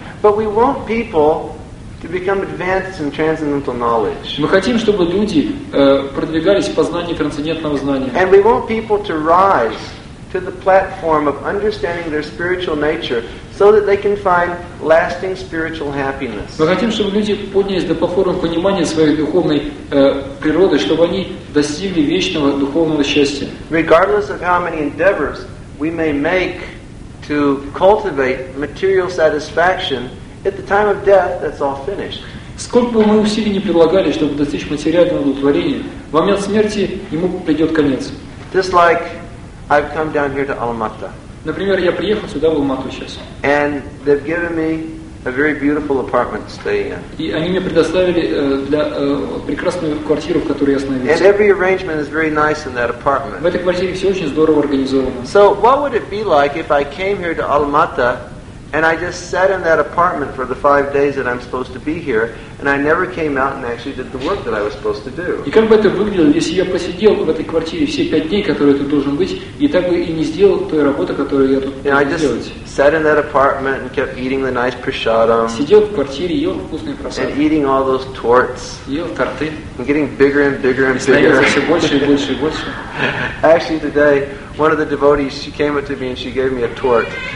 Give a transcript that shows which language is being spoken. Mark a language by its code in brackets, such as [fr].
[en] But we want people to become advanced in transcendental knowledge. [ru] Мы хотим, чтобы люди продвигались в познании трансцендентного знания. [en] And we want people to rise to the platform of understanding their spiritual nature so that they can find lasting spiritual happiness. [ru] Мы хотим, чтобы люди поднялись до платформы понимания своей духовной природы, чтобы они достигли вечного духовного счастья. [en] Regardless of how many endeavors we may make to cultivate material satisfaction, at the time of death, that's all finished. [ru] Сколько бы мы усилий не прилагали, чтобы достичь материального удовлетворения, в момент смерти ему придет конец. [en] Just like I've come down here to Almaty. [ru] Например, я приехал сюда в Алмату сейчас. [en] And they've given me a very beautiful apartment to stay in. [ru] И они мне предоставили для прекрасную квартиру, в которой я остановился. [en] And every arrangement is very nice in that apartment. [ru] В этой квартире все очень здорово организовано. [en] So what would it be like if I came here to Almaty? And I just sat in that apartment for the 5 days that I'm supposed to be here, and I never came out and actually did the work that I was supposed to do. [ru] И как бы это выглядело, если я посидел в этой квартире все 5 дней, которые тут должен быть, и так бы и не сделал той работы, которую я тут должен делать? [en] I just sat in that apartment and kept eating the nice prasadam. [ru] Сидел в квартире, ел вкусные прасады. [en] And eating all those torts. [ru] Ел торты. [en] And getting bigger and bigger and bigger. [ru] И становился все больше и больше и больше. [en] Actually, today one of the devotees, she came up to me and she gave me a tort.